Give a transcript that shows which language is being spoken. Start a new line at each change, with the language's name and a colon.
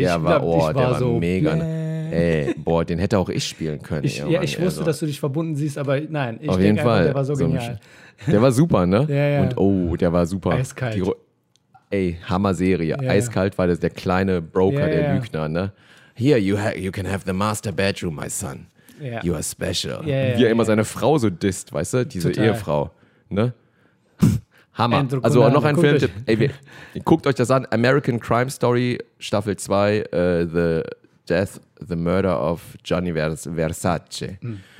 German: Der war mega. Ey, boah, den hätte auch ich spielen können. Ich wusste, dass du dich verbunden siehst, aber nein, ich denke einfach, der war so genial. Der war super, ne? Ja, ja. Und oh, der war super. Eiskalt. Ey, Hammer-Serie. Ja, eiskalt war das, der kleine Broker, der Lügner, ne?
English: Here, you can have the master bedroom, my son. Ja. You are special.
German: Ja, wie er immer seine Frau so disst, weißt du? Diese total. Ehefrau, ne? Hammer. Also noch ein Filmtipp. Guckt euch das an. American Crime Story, Staffel 2, The Murder of Gianni Versace. Mhm.